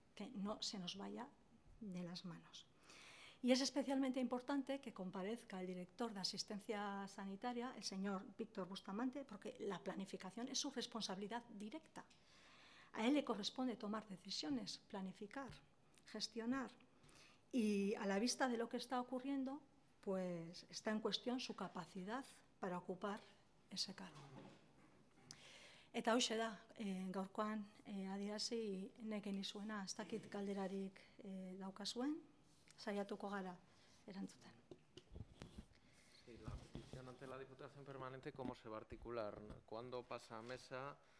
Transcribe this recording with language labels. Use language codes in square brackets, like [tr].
[es] que no se nos vaya de las manos. Y es especialmente importante que comparezca el director de asistencia sanitaria, el señor Víctor Bustamante, porque la planificación es su responsabilidad directa. A él le corresponde tomar decisiones, planificar, gestionar, y a la vista de lo que está ocurriendo, pues está en cuestión su capacidad para ocupar ese cargo. [eu] Eta hoxe da, gaurkoan adierazi nekin izuena, ez dakit galderarik daukazuen, saiatuko gara erantzuten. [es] Sí, la petición ante la Diputación Permanente, ¿cómo se va a articular? ¿Cuándo pasa a mesa?